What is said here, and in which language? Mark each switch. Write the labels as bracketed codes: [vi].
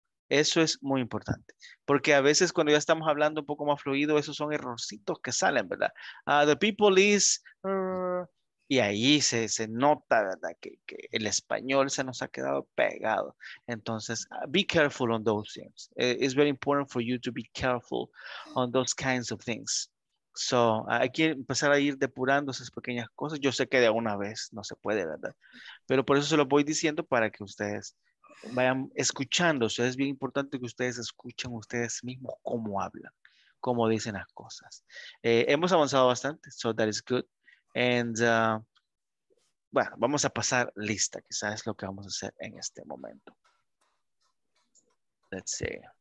[es] Eso es muy importante, porque a veces cuando ya estamos hablando un poco más fluido, esos son errorcitos que salen, ¿verdad? [en] The people is, [es] y ahí se nota, ¿verdad? Que el español se nos ha quedado pegado. [en] Entonces, be careful on those things. It's very important for you to be careful on those kinds of things. [es] So, hay que empezar a ir depurando esas pequeñas cosas. Yo sé que de una vez no se puede, ¿verdad? Pero por eso se lo voy diciendo, para que ustedes vayan escuchando. O sea, es bien importante que ustedes escuchen ustedes mismos cómo hablan, cómo dicen las cosas. Hemos avanzado bastante, [en] so that is good. [es] And bueno, vamos a pasar lista, quizás es lo que vamos a hacer en este momento. [en] Let's see.